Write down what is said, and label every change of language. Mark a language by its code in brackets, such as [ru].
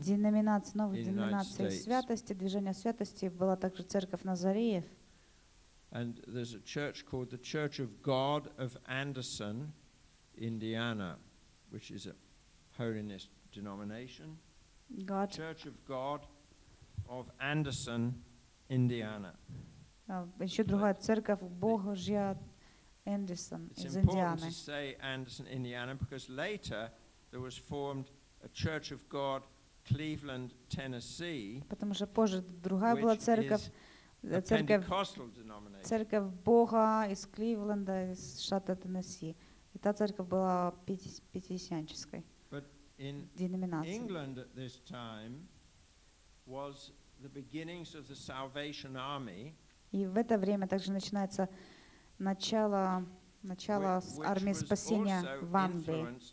[ru] Деноминаций, новых деноминаций святости, движения святости, была также Церковь Назареев. [en] And there's a church called the Church of God of Anderson, Indiana, which is a holiness denomination. God. Church of God of Anderson, Indiana. [ru] Еще другая церковь Божья. [en] Anderson, it's [ru] из [en] important To say Anderson, Indiana, because later there was formed a Church of God, Cleveland, Tennessee. [ru] Потому что позже другая была церковь, [en] Pentecostal denomination. [ru] Церковь Бога из Кливленда, из штата Теннесси. И та церковь была пятидесятнической. [en] But in England at this time was the beginnings of the Salvation Army. [ru] И в это время также начинается начало армии спасения в Англии.